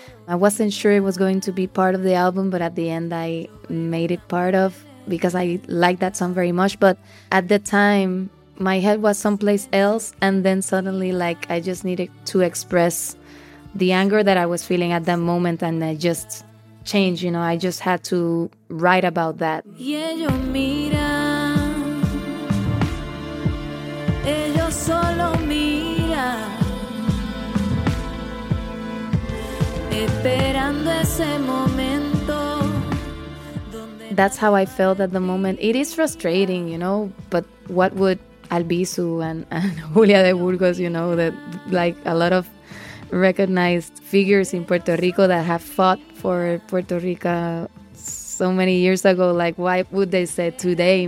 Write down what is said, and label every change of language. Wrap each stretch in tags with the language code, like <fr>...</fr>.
<en>I wasn't sure it was going to be part of the album, but at the end I made it part of because I liked that song very much. But at the time, my head was someplace else, and then suddenly, like, I just needed to express the anger that I was feeling at that moment, and I just changed, you know, I just had to write about that.</en> <es>Y ellos miran, ellos solo miran, esperando ese momento.</es> <en>That's how I felt at the moment. It is frustrating, you know, but what would Albizu and Julia de Burgos, you know, that like a lot of recognized figures in Puerto Rico that have fought for Puerto Rico so many years ago, like, why would they say today?</en>